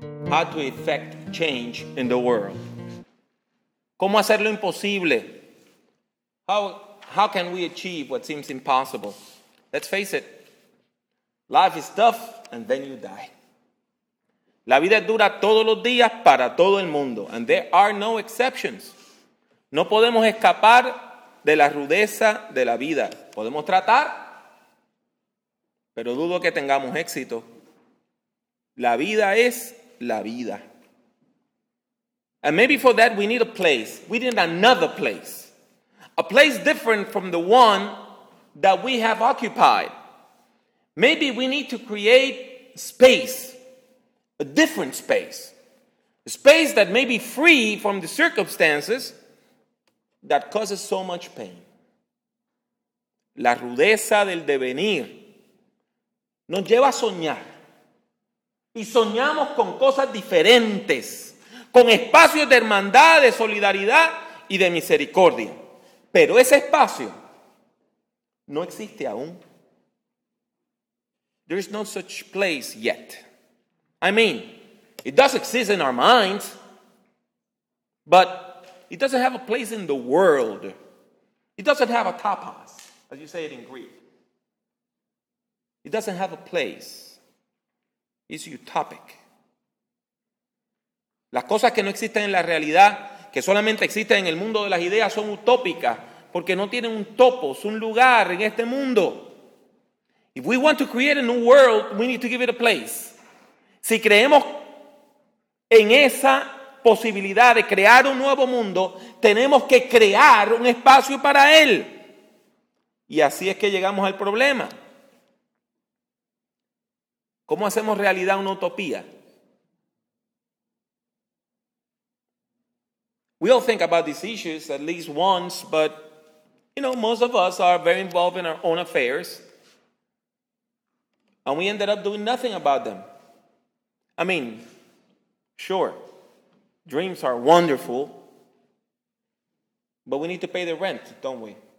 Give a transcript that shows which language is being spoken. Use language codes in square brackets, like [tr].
[en] How to effect change in the world. [es] ¿Cómo hacer lo imposible? [en] How can we achieve what seems impossible? Let's face it. Life is tough and then you die. [es] La vida es dura todos los días para todo el mundo. [en] And there are no exceptions. [es] No podemos escapar de la rudeza de la vida. Podemos tratar, pero dudo que tengamos éxito. La vida es la vida. [en] And maybe for that we need a place. We need another place. A place different from the one that we have occupied. Maybe we need to create space. A different space. A space that may be free from the circumstances that causes so much pain. [es] La rudeza del devenir nos lleva a soñar. Y soñamos con cosas diferentes, con espacios de hermandad, de solidaridad y de misericordia. Pero ese espacio no existe aún. [en] There is no such place yet. I mean, it does exist in our minds, but it doesn't have a place in the world. It doesn't have a tapas, as you say it in Greek. It doesn't have a place. It's utopic. [es] Las cosas que no existen en la realidad, que solamente existen en el mundo de las ideas, son utópicas, porque no tienen un topos, un lugar en este mundo. [en] If we want to create a new world, we need to give it a place. [es] Si creemos en esa posibilidad de crear un nuevo mundo, tenemos que crear un espacio para él. Y así es que llegamos al problema. ¿Cómo hacemos realidad una utopía? [en] We all think about these issues at least once, but, you know, most of us are very involved in our own affairs. And we ended up doing nothing about them. I mean, sure, dreams are wonderful, but we need to pay the rent, don't we?